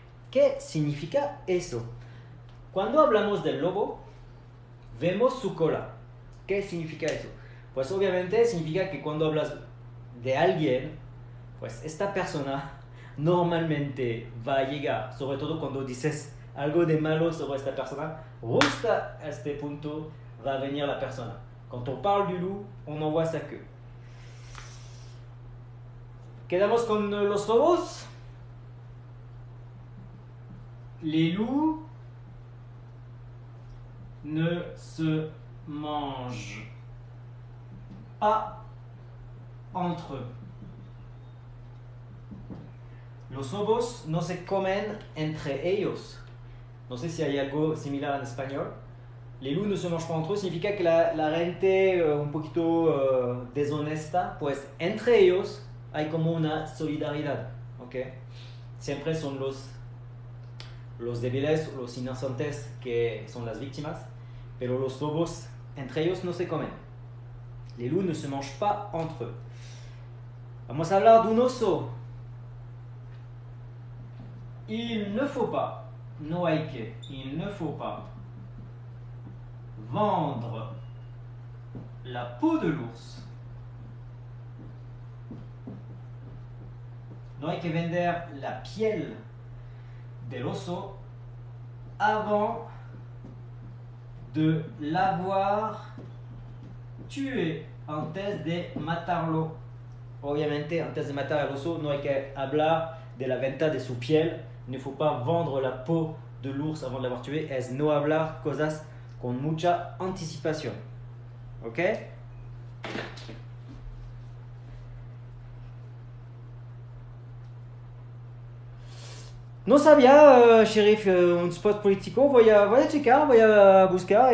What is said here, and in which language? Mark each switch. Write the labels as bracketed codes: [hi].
[es] ¿Qué significa eso? Cuando hablamos del lobo, vemos su cola. ¿Qué significa eso? Pues obviamente significa que cuando hablas de alguien, pues esta persona normalmente va a llegar, sobre todo cuando dices algo de malo sobre esta persona, justo a este punto va a venir la persona. Cuando [fr] on parle du loup, on en voit sa queue. [es] ¿Quedamos con los lobos? [fr] Les loups ne se mangent pas entre eux. [es] Los lobos no se comen entre ellos. No sé si hay algo similar en español. [fr] Les loups ne se mangent pas entre eux, [es] significa que la gente un poquito deshonesta, pues entre ellos hay como una solidaridad, ¿ok? Siempre son los débiles, los inocentes que son las víctimas, pero los lobos entre ellos no se comen. [fr] Les loups ne se mangent pas entre eux. [es] Vamos a hablar de un oso. [fr] Il ne faut pas, [es] no hay que, [fr] il ne faut pas vendre la peau de l'ours. [es] No hay que vender la piel del oso [fr] avant de l'avoir tué, [es] antes de matarlo. Obviamente, antes de matar al oso, no hay que hablar de la venta de su piel. [fr] Ne faut pas vendre la peau de l'ours avant de l'avoir tué. [es] Es no hablar cosas con mucha anticipación. ¿Ok? No sabía, sheriff, un spot político. Voy a checar, voy a buscar.